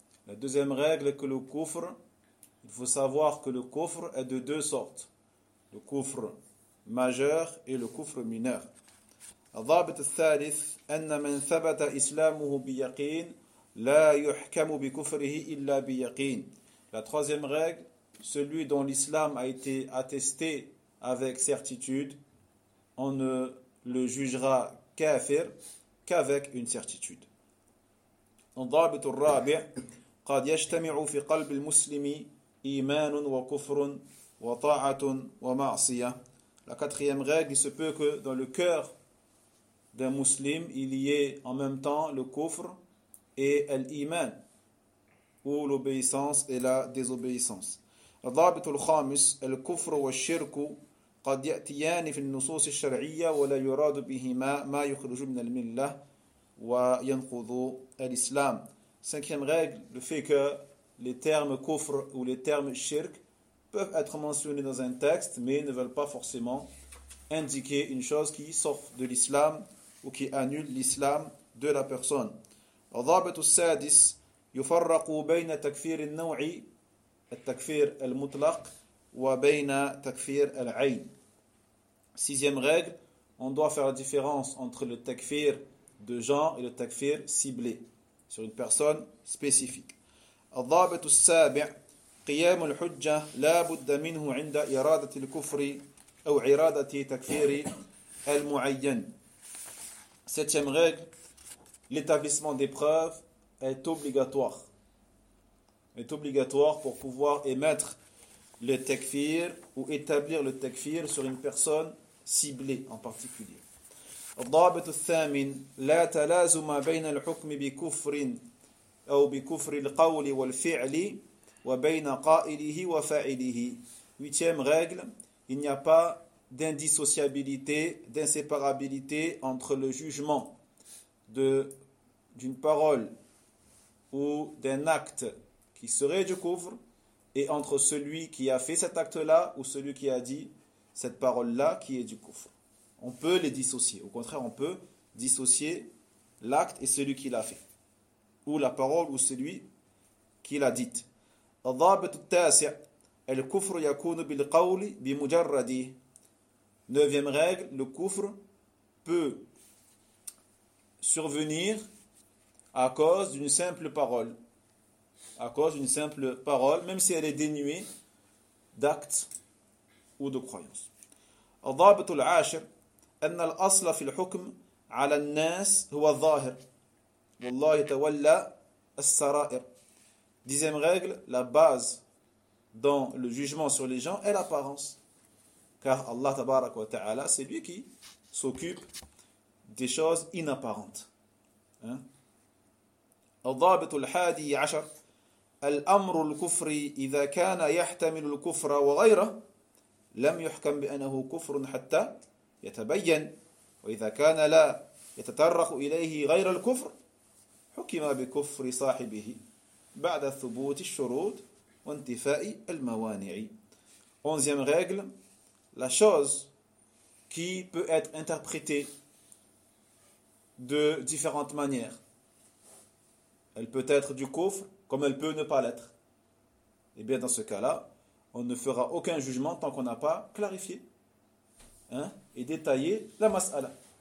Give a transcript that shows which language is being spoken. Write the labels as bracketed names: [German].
[French] La deuxième règle, que le kufr, il faut savoir que le kufr est de deux sortes. Le kufr majeur et le kufr mineur. [Arabic] الضابط الثالث أن من ثبت إسلامه بيقين لا يحكم بكفره إلا بيقين. [French] La troisième règle, celui dont l'islam a été attesté avec certitude, on ne le jugera kafir qu'avec une certitude. [Arabic] الضابط الرابع قد يجتمع في قلب المسلم إيمان وكفر وطاعة ومعصية. [French] La quatrième règle, il se peut que dans le cœur d'un muslim, il y ait en même temps le kufr et l'iman, ou l'obéissance et la désobéissance. [Arabic] الضابط الخامس الكفر والشرك قد يأتيان في النصوص الشرعية ولا يراد بهما ما يخرج من الملة وينقض الإسلام. [French] Cinquième règle, le fait que les termes kufr ou les termes shirk peuvent être mentionnés dans un texte, mais ne veulent pas forcément indiquer une chose qui sort de l'islam ou qui annule l'islam de la personne. [Arabic] الضابط السادس يفرق بين تكفير النوع التكفير المطلق وبين تكفير العين. [French] Sixième règle, on doit faire la différence entre le takfir de genre et le takfir ciblé sur une personne spécifique. [Arabic] الضابط السابع قيام الحجة لا بد منه عند إرادة الكفر أو إرادة تكفير المعين. [French] Septième règle, l'établissement des preuves est obligatoire. Est obligatoire pour pouvoir émettre le takfir ou établir le takfir sur une personne ciblée en particulier. [Arabic] الضابط الثامن لا تلازم بين الحكم بكفر أو بكفر القول والفعل وبين قائله وفاعله. [French] Huitième règle, il n'y a pas d'indissociabilité, d'inséparabilité entre le jugement d'une parole ou d'un acte qui serait du kufr et entre celui qui a fait cet acte-là ou celui qui a dit cette parole-là qui est du kufr. On peut les dissocier. Au contraire, on peut dissocier l'acte et celui qui l'a fait, ou la parole ou celui qui l'a dite. [Arabic] الضابط التاسع الكفر يكون بالقول بمجرد. [French] Neuvième règle, le kufr peut survenir à cause d'une simple parole. à cause d'une simple parole, même si elle est dénuée d'actes ou de croyances. [Arabic] الضابط العاشر أن الأصل في الحكم على الناس هو الظاهر والله يتولى السرائر. [French] Dixième règle, la base dans le jugement sur les gens est l'apparence. Car Allah [Arabic] tabarak wa ta'ala, [French] c'est lui qui s'occupe des choses inapparentes. [Arabic] الضابط الحادي عشر الأمر الكفري إذا كان يحتمل الكفر وغيره لم يحكم بأنه كفر حتى يتبين وإذا كان لا يتطرق إليه غير الكفر حكم بكفر صاحبه بعد ثبوت الشروط وانتفاء الموانع. [French] Onzième règle, la chose qui peut être interprétée de différentes manières. Elle peut être du kufr comme elle peut ne pas l'être. Et bien dans ce cas-là, on ne fera aucun jugement tant qu'on n'a pas clarifié et détaillé la mas'ala.